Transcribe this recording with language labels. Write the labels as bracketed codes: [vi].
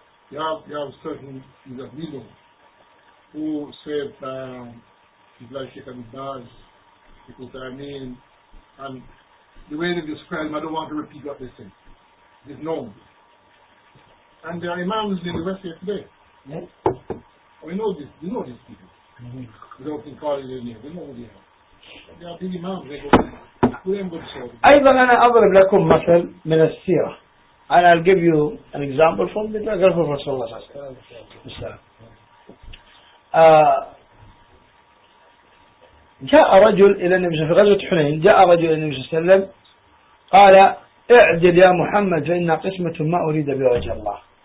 [en] You have certain in the middle who said Iblis does because I mean and the way they describe him, I don't want to repeat what they say. It's known. And there are imams in the West yesterday. Yeah. We know this, we know these people. Mm-hmm. We don't think calling their name, we know who they are. They are big imams, they go [ar] أيضا أنا أضرب لكم مثل من السيرة. [en] I'll give you an example from the Prophet of Rasulullah صلى الله عليه وسلم. [ar] جاء رجل إلى النبي في غزوة حنين. جاء رجل إلى النبي صلى الله عليه وسلم. قال اعجل يا محمد فإن قسمة ما أريد بوجه الله.